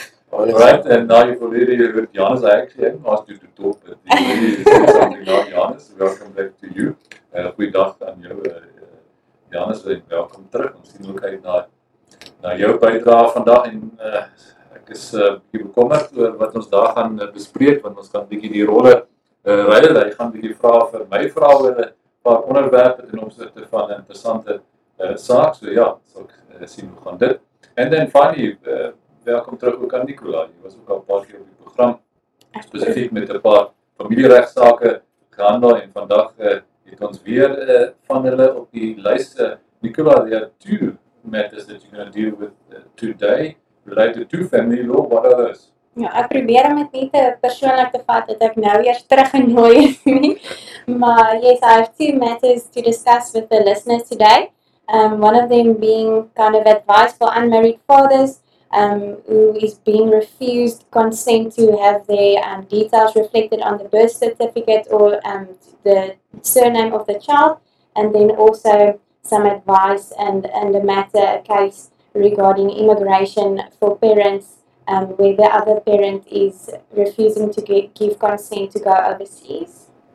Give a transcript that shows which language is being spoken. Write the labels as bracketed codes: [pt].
[en] All right, and now you've already heard Janus. I actually haven't asked you to talk, but you already said something about Janus. Welcome back to you. [af] Goeiedag aan jou, Janus, [en] and welcome [af] terug. Ons sien ook uit na jou bydrae vandag. En ek is bekommerd oor wat ons daar gaan bespreek, want ons gaan bietjie die rolle ruil. Hy gaan bietjie vra vir my vrae oor 'n paar onderwerpe ten opsigte van 'n interessante saak. So ja, sal ek sien hoe gaan dit. En dan finally, welkom terug ook aan Nicola. Jy was ook al 'n paar keer op die program, spesifiek met 'n paar familieregsake gehandel, en vandag het ons weer van hulle op die lyste. [en] Nicola, there are two matters that you're going to deal with today related to family law. What are those? [af] Ja, ek probeer om dit nie te persoonlik te vat dat ek nou weer teruggenooi is nie, maar [en] yes, I have two matters to discuss with the listeners today. One of them being kind of advice for unmarried fathers who is being refused consent to have their details reflected on the birth certificate or the surname of the child, and then also some advice and a matter, a case regarding immigration for parents where the other parent is refusing to give consent to go overseas.